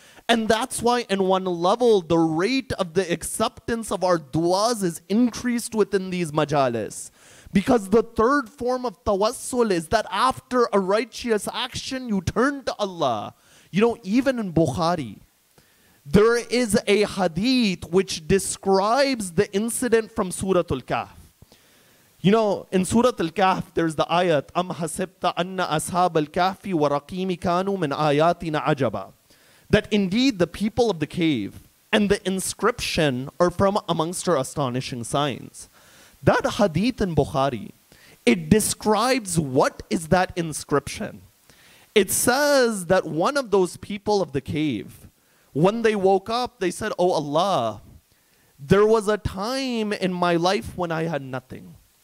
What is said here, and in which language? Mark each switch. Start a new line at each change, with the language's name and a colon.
English: And that's why in one level, the rate of the acceptance of our du'as is increased within these majalis. Because the third form of tawassul is that after a righteous action, you turn to Allah. You know, even in Bukhari, there is a hadith which describes the incident from Surah Al-Kahf. You know, in Surah Al-Kahf, there's the ayat,
Arabic: أَمْ حَسِبْتَ أَنَّ أَصْحَابَ الْكَهْفِ وَرَقِيمِ كَانُوا مِنْ آيَاتِنَا عَجَبًا.
English: That indeed the people of the cave and the inscription are from amongst our astonishing signs. That hadith in Bukhari, it describes what is that inscription. It says that one of those people of the cave, when they woke up, they said, oh Allah, there was a time in my life when I had nothing.